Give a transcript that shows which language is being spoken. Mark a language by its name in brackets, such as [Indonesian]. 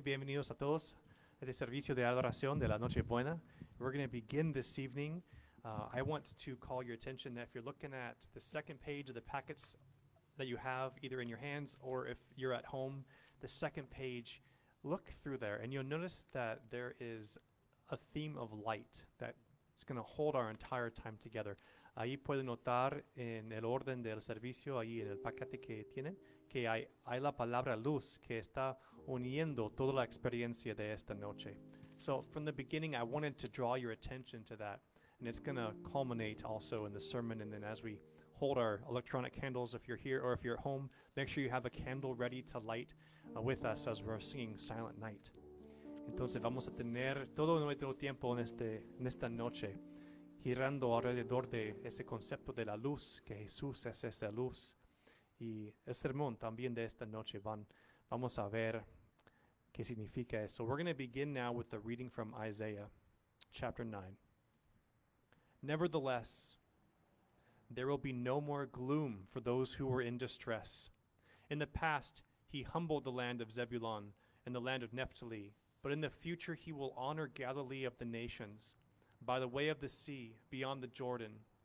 [Spanish] Bienvenidos a todos a este servicio de adoración de la Noche Buena. [English] We're going to begin this evening. I want to call your attention that if you're looking at the second page of the packets that you have either in your hands or if you're at home, the second page, look through there and you'll notice that there is a theme of light that is going to hold our entire time together. [Spanish] Ahí pueden notar en el orden del servicio, ahí en el paquete que tienen, que hay la palabra luz que está uniendo toda la experiencia de esta noche. [English] So from the beginning, I wanted to draw your attention to that. And it's going to culminate also in the sermon. And then as we hold our electronic candles, if you're here or if you're at home, make sure you have a candle ready to light with us as we're singing Silent Night. [Spanish] Entonces vamos a tener todo nuestro tiempo en esta noche, girando alrededor de ese concepto de la luz, que Jesús es esa luz. Y el sermón también de esta noche, vamos a ver qué significa eso. [English] We're going to begin now with the reading from Isaiah chapter 9. Nevertheless, there will be no more gloom for those who were in distress. In the past, he humbled the land of Zebulun and the land of Naphtali, but in the future he will honor Galilee of the nations, by the way of the sea, beyond the Jordan.